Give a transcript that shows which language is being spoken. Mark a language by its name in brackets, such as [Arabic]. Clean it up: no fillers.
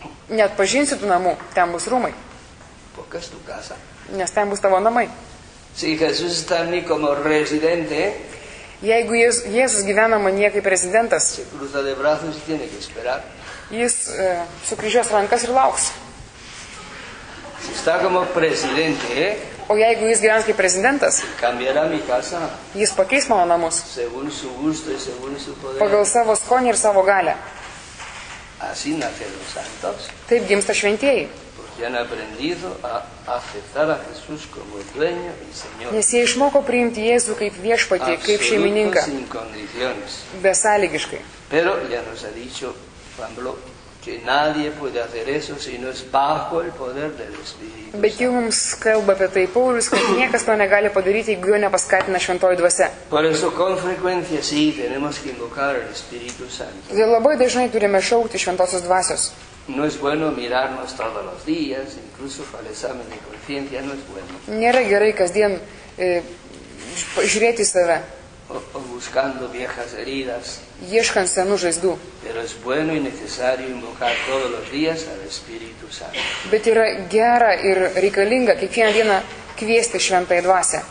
[Lithuanian] Net pažinsi tų namų, ten bus rūmai. [Spanish] Porque es tu casa. [Lithuanian] Nes ten bus tavo namai. [Spanish] Si Jesús está en mí como residente, [Lithuanian] jeigu Jėzus gyvena manyje kaip prezidentas, [Spanish] se cruza de brazos y tiene que esperar. [Lithuanian] Jis sukryžiuos rankas ir lauks. [Spanish] Si está como presidente, [Lithuanian] o jeigu jis gyvena kaip prezidentas, [Spanish] cambiará mi casa. [Lithuanian] Jis pakeis mano namus. [Spanish] Según su gusto y según su poder. [Lithuanian] Pagal savo skonį ir savo galę. [Spanish] Así nacen los santos. [Lithuanian] Taip gimsta šventieji. [Spanish] Han aprendido a aceptar a Jesús como dueño y señor. [Lithuanian] Nes jie išmoko priimti Jėzų kaip viešpatį, kaip šeimininką. Besąlygiškai. [Spanish] Pero ya nos ha dicho Pablo que nadie puede hacer eso si no es bajo el poder del Espíritu. [Lithuanian] Bet jau mums kalba apie tai Paulius, kad niekas to negali padaryti, jeigu jo nepaskatina šventoji dvasia. [Spanish] Por eso con frecuencia sí tenemos que invocar al Espíritu Santo. [Lithuanian] Dėl labai dažnai turime šaukti šventosios dvasios. [Spanish] No es bueno mirarnos todos los días, incluso para el examen de conciencia no es bueno. [Lithuanian] Nėra gerai kasdien žiūrėti save. [Spanish] O buscando viejas heridas. [Lithuanian] Ieškant senų žaizdų. [Spanish] Pero es bueno y necesario invocar todos los días al Espíritu Santo. [Lithuanian] Bet yra gera ir reikalinga kiekvieną dieną kviesti šventąją dvasę.